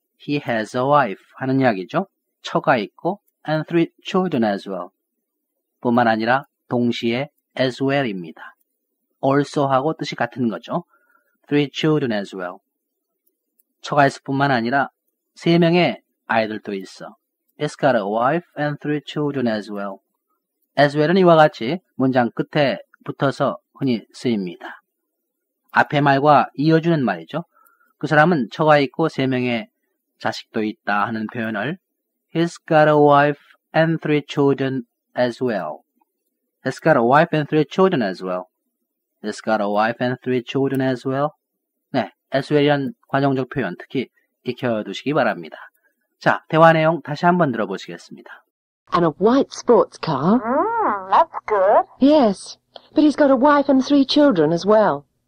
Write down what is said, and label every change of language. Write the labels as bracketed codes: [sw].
[en] He has a wife. [ko] 하는 이야기죠. 처가 있고 [en] and three children as well. [ko] 뿐만 아니라 동시에 as well입니다. Also하고 뜻이 같은 거죠. [en] Three children as well. [ko] 처가 있을 뿐만 아니라 세 명의 아이들도 있어. [en] He's got a wife and three children as well. [ko] As well은 이와 같이 문장 끝에 붙어서 흔히 쓰입니다. 앞에 말과 이어주는 말이죠. 그 사람은 처가 있고 세 명의 자식도 있다 하는 표현을 [en] He's got a wife and three children as well. He's got a wife and three children as well. He's got a wife and three children as well. [ko] 네, as well이란 관용적 표현 특히 익혀두시기 바랍니다. 자, 대화 내용 다시 한번 들어보시겠습니다. [en] And a white sports car. That's good. Yes, but he's got a wife and three children as well.